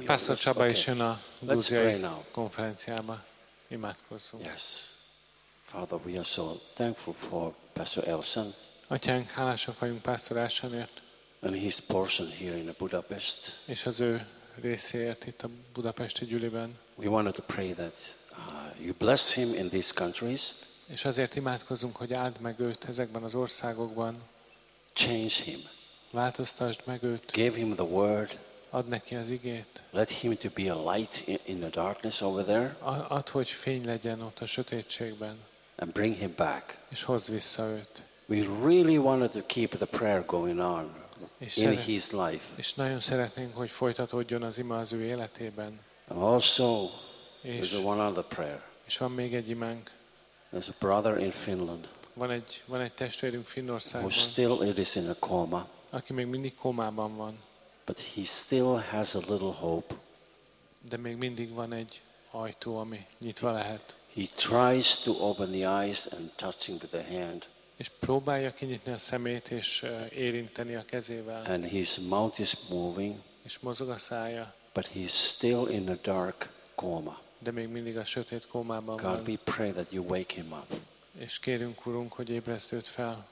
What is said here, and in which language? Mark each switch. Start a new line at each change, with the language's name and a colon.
Hungarian: Pastor Csaba is jön a grúziai konferenciába. Imádkozzunk.
English: Yes. Father, we are so thankful for Pastor Elson.
Hungarian: Atyánk, hálásak vagyunk Pastor Elsonért.
English: And his portion here in Budapest.
Hungarian: És az ő részéért itt a budapesti gyűliben.
English: We wanted to pray that you bless him in these countries.
Hungarian: És azért imádkozunk, hogy áld meg őt ezekben az országokban.
English: Change him.
Hungarian: Változtasd meg őt.
English: Give him the word.
Hungarian: Add neki az igét.
English: Let him to be a light in the darkness over there.
Hungarian: Add, hogy fény legyen ott a sötétségben.
English: And bring him back.
Hungarian: És hozd vissza őt.
English: We really wanted to keep the prayer going on in his life.
Hungarian: És nagyon szeretnénk, hogy folytatódjon az ima az ő életében.
English: And also, there's one other prayer.
Hungarian: És van még egy imánk.
English: There's a brother in Finland.
Hungarian: Van egy testvérünk Finnországban.
English: Who still is in a coma.
Hungarian: Aki még mindig kómában van.
English: But he still has a little hope.
Hungarian: De még mindig van egy ajtó, ami nyitva lehet.
English: He tries to open the eyes and touching with the hand.
Hungarian: És próbálja kinyitni a szemét és érinteni a kezével.
English: And his mouth is moving.
Hungarian: És mozog a szája.
English: But he's still in a dark coma.
Hungarian: De még mindig a sötét kómában
English: God,
Hungarian: van.
English: We pray that you wake him up.
Hungarian: És kérünk, Urunk, hogy ébreszt őt fel.